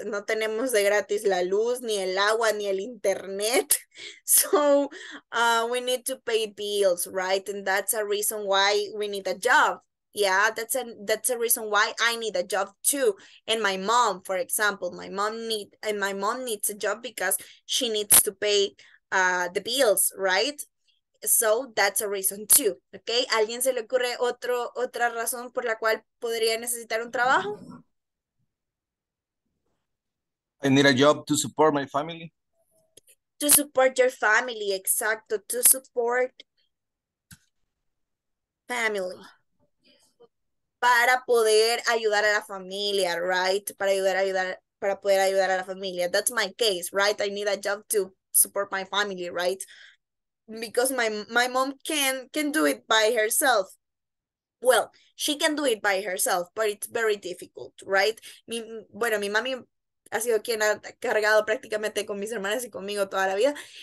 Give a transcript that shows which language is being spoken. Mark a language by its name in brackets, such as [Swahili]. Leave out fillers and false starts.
[Spanish] No tenemos de gratis la luz, ni el agua, ni el internet. [English] So we need to pay bills, right? And that's a reason why we need a job. Yeah, that's a reason why I need a job too. And my mom, for example, my mom needs a job because she needs to pay the bills, right? So that's a reason too. Okay. [Spanish] ¿Alguien se le ocurre otra razón por la cual podría necesitar un trabajo? [English] I need a job to support my family. To support your family, exacto. To support family. [Spanish] Para poder ayudar a la familia, right? Para poder ayudar a la familia. [English] That's my case, right? I need a job to support my family, right? Because my mom can do it by herself. Well, she can do it by herself, but it's very difficult, right? [Spanish] Mi mami ha sido quien ha cargado prácticamente con mis hermanas y conmigo toda la vida.